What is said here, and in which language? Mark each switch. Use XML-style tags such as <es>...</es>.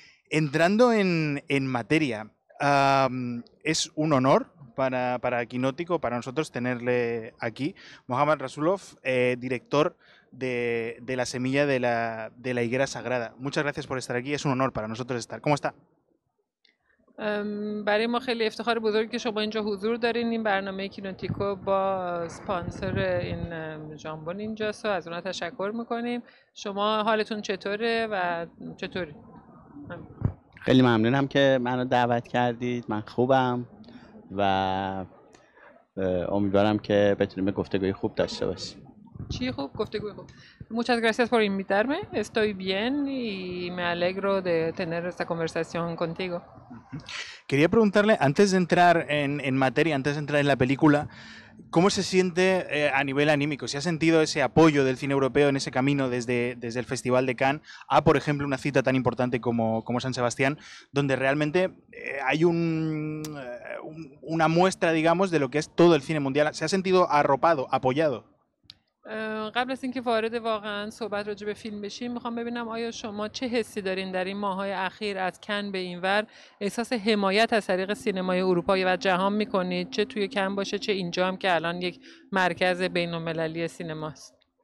<es>Entrando en materia. Es un honor para Quinótico, para nosotros, tenerle aquí. Mohammad Rasulov, director de la semilla de la higuera sagrada. Muchas gracias por estar aquí. Es un honor para nosotros estar. ¿Cómo está?</es> <fa>برای ما خیلی افتخار بزرگ که شما اینجا حضور دارین. این برنامه کینوتیکو با سپانسر این جامبون اینجاست و از اونها تشکر میکنیم. شما حالتون چطوره و چطوری؟ خیلی ممنونم که منو دعوت کردید. من خوبم و امیدوارم که بتونیم گفتگوی خوب داشته باشیم. چی خوب؟ گفتگوی خوب.</fa> <es>Muchas gracias por invitarme. Estoy bien y me alegro de tener esta conversación contigo. Quería preguntarle, antes de entrar en materia, antes de entrar en la película, ¿cómo se siente a nivel anímico? ¿Si ha sentido ese apoyo del cine europeo en ese camino desde el Festival de Cannes a, por ejemplo, una cita tan importante como San Sebastián, donde realmente hay una muestra, digamos, de lo que es todo el cine mundial? ¿Se ha sentido arropado, apoyado?</es> <fa>قبل از اینکه وارد واقعا صحبت راجع به فیلم بشیم میخوام ببینم آیا شما چه حسی دارین در این ماهای اخیر از کن به اینور احساس حمایت از طریق سینمای اروپا و جهان میکنید چه توی کن باشه چه اینجا هم که الان یک مرکز بین المللی سینماست</fa>